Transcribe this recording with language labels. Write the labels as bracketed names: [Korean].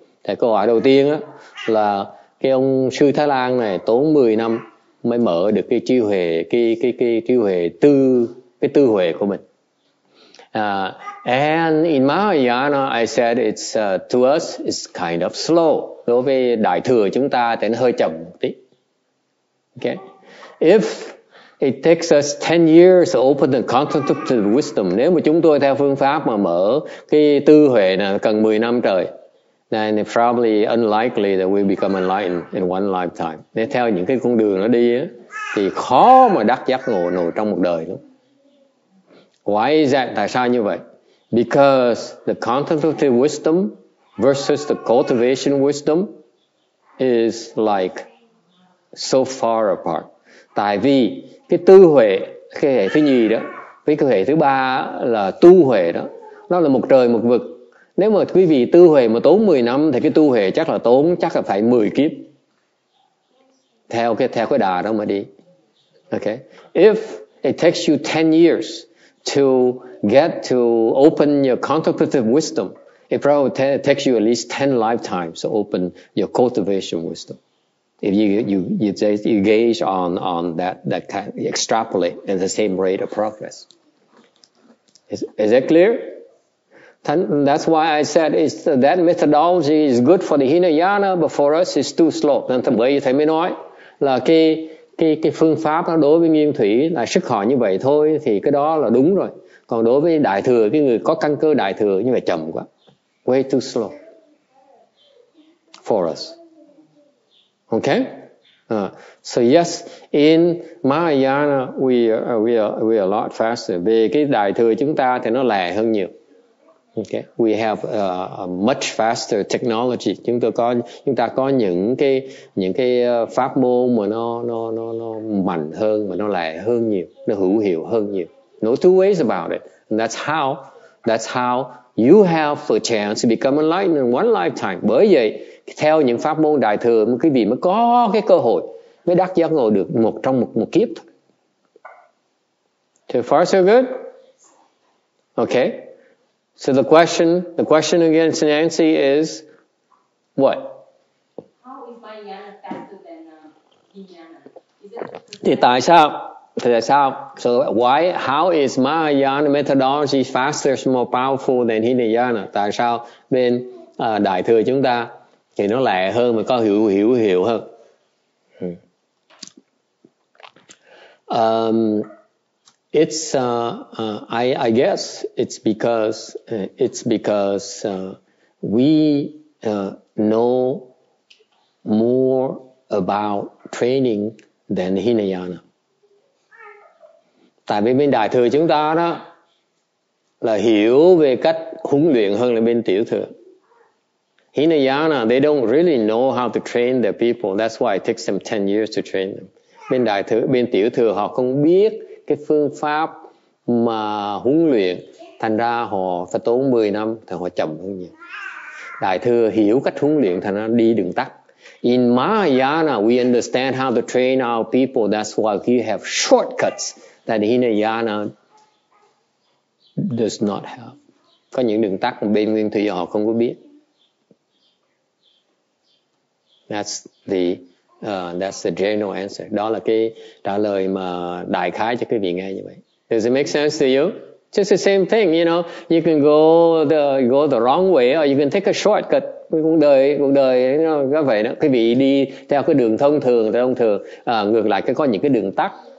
[Vietnamese] Thầy câu hỏi đầu tiên á là cái ông sư Thái Lan này tốn 10 năm mới mở được cái trí huệ, cái trí huệ tư, cái tư huệ của mình. [English] And in Mahayana, I said it's to us it's kind of slow. [Vietnamese] Đối với đại thừa chúng ta thì nó hơi chậm một tí. [English] Okay. If it takes us 10 years to open the contemplative wisdom, [Vietnamese] nếu mà chúng tôi theo phương pháp mà mở cái tư huệ này cần 10 năm trời, [English] then it's probably unlikely that we become enlightened in one lifetime. [Vietnamese] Nếu theo những cái con đường nó đi á, thì khó mà đắc giác ngộ nổi trong một đời lắm. [English] Why is that? [Vietnamese] Tại sao như vậy? [English] Because the contemplative wisdom versus the cultivation wisdom is like so far apart. [Vietnamese] Tại vì cái tư huệ, cái hệ thứ nhì đó, với cái hệ thứ ba là tu huệ đó, nó là một trời một vực. Nếu mà quý vị tu huệ mà tốn 10 năm thì cái tu huệ chắc là phải 10 kiếp. Theo cái đà đó mà đi. [English] Okay. If it takes you 10 years to get to open your contemplative wisdom, it probably takes you at least 10 lifetimes to open your cultivation wisdom. If you gauge on that kind of, you extrapolate at the same rate of progress. Is that clear? That's why I said that methodology is good for the Hinayana, but for us it's too slow. [Vietnamese] Nên bởi vì thầy mới nói là cái phương pháp đó đối với Nguyên Thủy là sức họ như vậy thôi thì cái đó là đúng rồi. Còn đối với Đại Thừa, cái người có căn cơ Đại Thừa như vậy chậm quá. [English] Way too slow for us. Okay? So yes, in Mahayana we are a lot faster. [Vietnamese] Về cái Đại Thừa chúng ta thì nó lẹ hơn nhiều. [English] Okay. We have a much faster technology. [Vietnamese] Chúng ta có những cái pháp môn mà nó mạnh hơn, mà nó lẹ hơn nhiều, nó hữu hiệu hơn nhiều. [English] No two ways about it. And that's how you have a chance to become enlightened in one lifetime. [Vietnamese] Bởi vậy, theo những pháp môn đại thừa, quý vị mới có cái cơ hội mới đắc giác ngộ được một trong một kiếp thôi. [English] So far so good? Okay. So the question again to Nancy is what? How is Mahayana methodology faster, more powerful than Hinayana? [Vietnamese] Tại sao bên đại thừa chúng ta thì nó lẹ hơn mà có hiểu hơn? [English] I guess it's because we know more about training than Hinayana. [Vietnamese] Tại vì bên đại thừa chúng ta đó là hiểu về cách huấn luyện hơn là bên tiểu thừa. [English] Hinayana, they don't really know how to train their people. That's why it takes them 10 years to train them. [Vietnamese] Bên đại thừa, bên tiểu thừa họ không biết cái phương pháp mà huấn luyện, thành ra họ phải tốn 10 năm thì họ chậm hơn nhiều. Đại thừa hiểu cách huấn luyện thành ra đi đường tắt. [English] In Mahayana, we understand how to train our people. That's why we have shortcuts that Hinayana does not have. [Vietnamese] Có những đường tắt bên nguyên thủy họ không có biết. [English] That's the general answer. [Vietnamese] Đó là cái trả lời mà đại khái cho quý vị nghe như vậy. [English] Does it make sense to you? Just the same thing, you know. You can go the wrong way, or you can take a shortcut. [Vietnamese] Cuộc đời nó có vậy đó. Quý vị đi theo cái đường thông thường, ngược lại cái có những cái đường tắt.